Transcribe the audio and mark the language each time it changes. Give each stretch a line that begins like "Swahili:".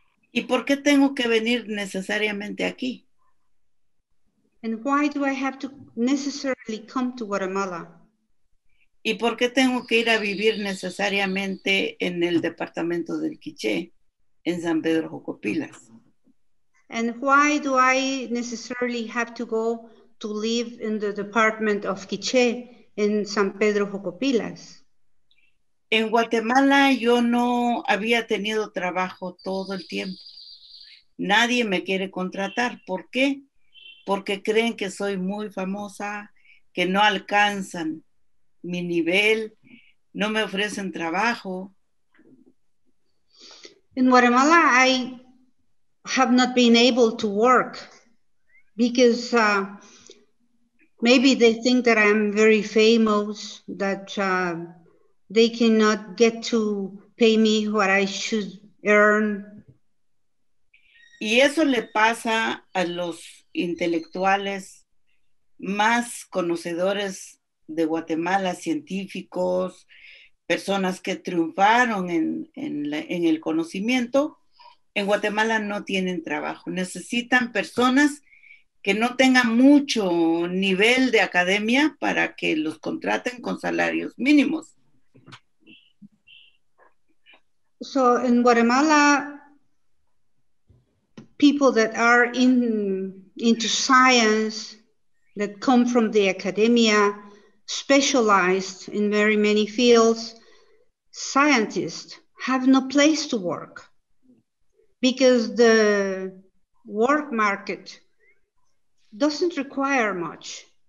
Spanish: ¿Y por qué tengo que venir necesariamente aquí?
English: And why do I have to necessarily come to Guatemala?
Spanish: ¿Y por qué tengo que ir a vivir necesariamente en el departamento del Quiché, en San Pedro Jocopilas?
English: And why do I necessarily have to go to live in the department of Quiché in San Pedro Jocopilas?
Spanish: En Guatemala yo no había tenido trabajo todo el tiempo. Nadie me quiere contratar. ¿Por qué? Porque creen que soy muy famosa, que no alcanzan mi nivel, no me ofrecen trabajo.
English: In Guatemala I have not been able to work because maybe they think that I'm very famous, that they cannot get to pay me what I should earn.
Spanish: Y eso le pasa a los intelectuales más conocedores de Guatemala, científicos, personas que triunfaron en el conocimiento, en Guatemala no tienen trabajo. Necesitan personas que no tengan mucho nivel de academia para que los contraten con salarios mínimos.
English: So in Guatemala, people that are into science, that come from the academia, specialized in very many fields, scientists have no place to work because the work market doesn't require much.